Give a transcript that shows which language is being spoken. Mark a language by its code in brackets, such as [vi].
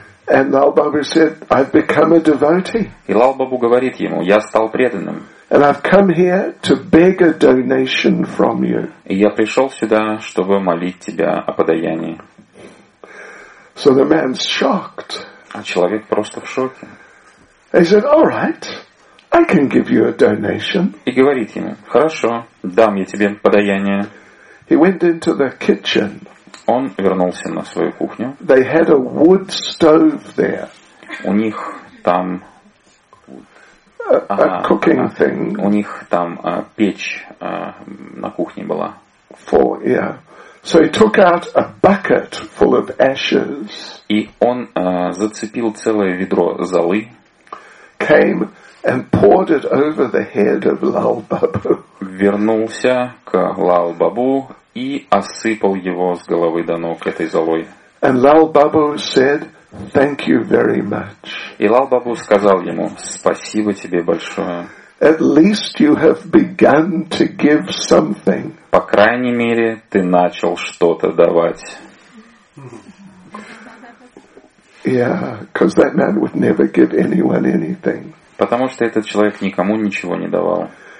[en] And Lal Babu said, I've become a devotee. [ru] И Лал Бабу говорит ему, я стал преданным. [en] And I've come here to beg a donation from you. [ru] И я пришел сюда, чтобы молить тебя о подаянии. [en] So the man's shocked. [ru] А человек просто в шоке. [en] He said, all right, I can give you a donation. [ru] И говорит ему, хорошо, дам я тебе подаяние. [en] He went into the kitchen. [ru] Он вернулся на свою кухню. [en] They had a wood stove there. [ru] У них там [en] cooking thing. [ru] У них там печь на кухне была. [en] For, yeah. So he took out a bucket full of ashes. [ru] И он зацепил целое ведро золы. [en] Came and poured it over the head of Lal Babu. [ru] Вернулся к Лал Бабу и осыпал его с головы до ног этой золой. [en] And Lal Babu said, "Thank you very much." [ru] И Лал Бабу сказал ему: "Спасибо тебе большое." [en] At least you have begun to give something. [ru] По крайней мере, ты начал что-то давать. [en] Yeah, because that man would never give anyone anything. [ru] Потому что этот человек никому ничего не давал.